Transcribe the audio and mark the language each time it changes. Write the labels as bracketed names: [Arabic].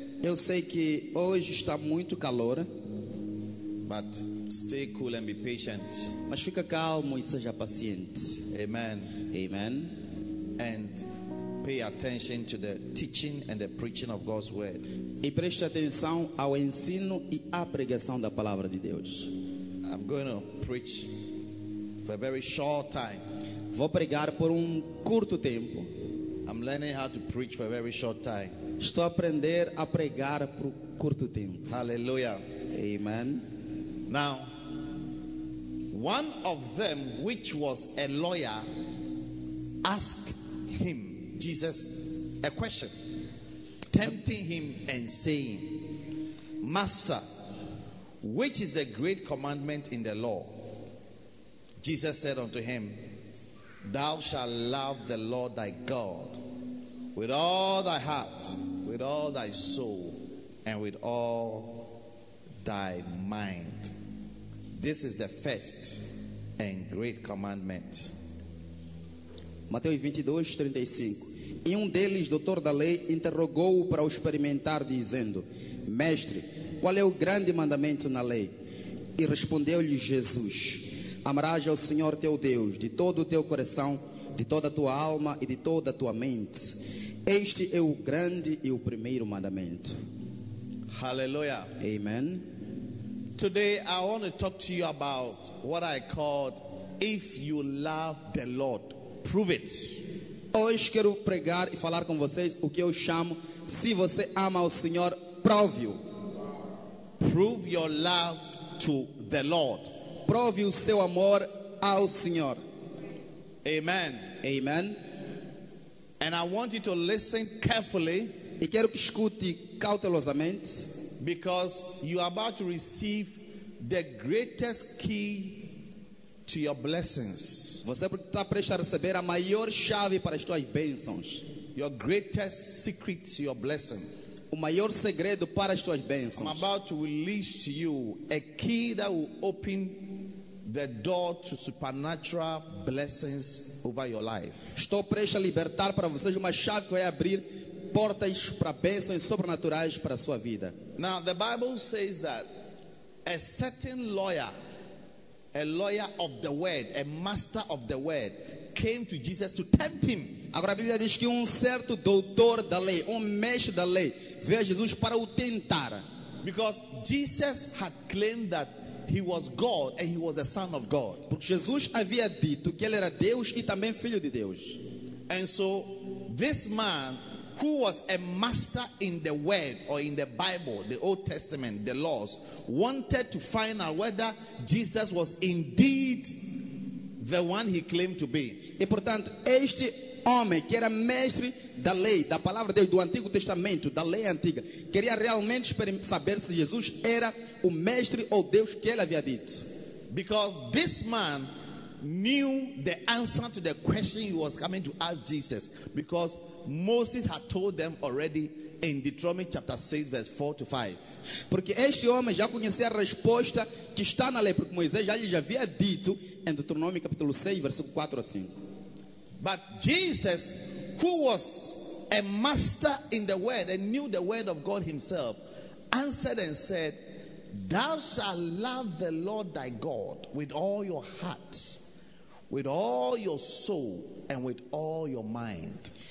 [Portuguese] Eu sei que hoje está muito calor. [English] But stay cool and be patient. [Portuguese] Mas fica calmo e seja paciente. Amen. Amen. [English] And pay attention to the teaching and the preaching of God's word. [Portuguese] E preste atenção ao ensino e à pregação da palavra de Deus. [English] I'm going to preach for a very short time. [Portuguese] Vou pregar por curto tempo. [English] I'm learning how to preach for a very short time. [Portuguese] Estou a aprender a pregar por curto tempo. [English] Hallelujah. Amen. Now, one of them which was a lawyer asked him, Jesus, a question, tempting him and saying, Master, which is the great commandment in the law? Jesus said unto him, Thou shalt love the Lord thy God with all thy heart, with all thy soul, and with all thy mind. This is the first and great commandment. [Portuguese] Mateus 22:35. E deles, doutor da lei, interrogou-o para o experimentar, dizendo, Mestre, qual é o grande mandamento na lei? E respondeu-lhe Jesus, Amarás ao Senhor teu Deus, de todo o teu coração, de toda a tua alma e de toda a tua mente. Este é o grande e o primeiro mandamento. Aleluia. Amen. [English] Today I want to talk to you about what I called, If you love the Lord, prove it. [Portuguese] Hoje quero pregar e falar com vocês o que eu chamo, se você ama o Senhor, prove-o. [English] Prove your love to the Lord. [Portuguese] Prove o seu amor ao Senhor. Amen. Amen. [English] And I want you to listen carefully. [Portuguese] E quero que escute cautelosamente. [English] Because you are about to receive the greatest key to your blessings. [Portuguese] Você está prestes a receber a maior chave para as tuas bênçãos. [English] Your greatest secret to your blessing. [Portuguese] O maior segredo para as tuas bênçãos. [English] I'm about to release to you a key that will open the door to supernatural blessings over your life. [Portuguese] Estou prestes a libertar para vocês uma chave que vai abrir portas para bênçãos sobrenaturais para a sua vida. [English] Now the Bible says that a lawyer of the word, a master of the word, came to Jesus to tempt him. [Portuguese] Agora a Bíblia diz que certo doutor da lei, mestre da lei, veio a Jesus para o tentar. [English] Because Jesus had claimed that he was God and he was the son of God. [Portuguese] Porque Jesus havia dito que ele era Deus e também filho de Deus. [English] And so this man who was a master in the word or in the Bible, the Old Testament, the laws, wanted to find out whether Jesus was indeed the one he claimed to be. [Portuguese] E portanto, este homem que era mestre da lei, da palavra de Deus, do Antigo Testamento, da lei antiga, queria realmente saber se Jesus era o mestre ou Deus que ele havia dito. [English] Because this man knew the answer to the question he was coming to ask Jesus, because Moses had told them already in Deuteronomy chapter 6 verse 4 to 5. [Portuguese] Porque este homem já conhecia a resposta que está na lei, porque Moisés já lhe havia dito em Deuteronomy capítulo 6 verso 4 a 5. [English] But Jesus, who was a master in the word and knew the word of God himself, answered and said, Thou shalt love the Lord thy God with all your heart, with all your soul, and with all your mind.